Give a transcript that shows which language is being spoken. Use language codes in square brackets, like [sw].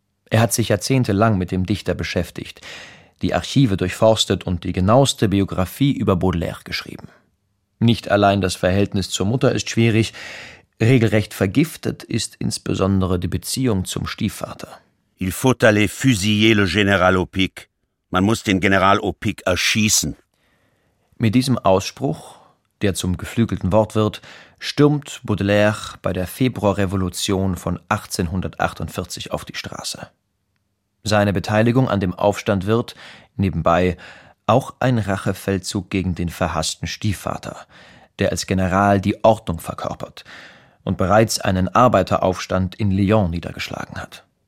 [de] Er hat sich jahrzehntelang mit dem Dichter beschäftigt, die Archive durchforstet und die genaueste Biografie über Baudelaire geschrieben. Nicht allein das Verhältnis zur Mutter ist schwierig, regelrecht vergiftet ist insbesondere die Beziehung zum Stiefvater. [fr] Il faut aller fusiller le général Opique. [de] Man muss den General Opique erschießen. Mit diesem Ausspruch, der zum geflügelten Wort wird, stürmt Baudelaire bei der Februarrevolution von 1848 auf die Straße. Seine Beteiligung an dem Aufstand wird, nebenbei, auch ein Rachefeldzug gegen den verhassten Stiefvater, der als General die Ordnung verkörpert und bereits einen Arbeiteraufstand in Lyon niedergeschlagen hat.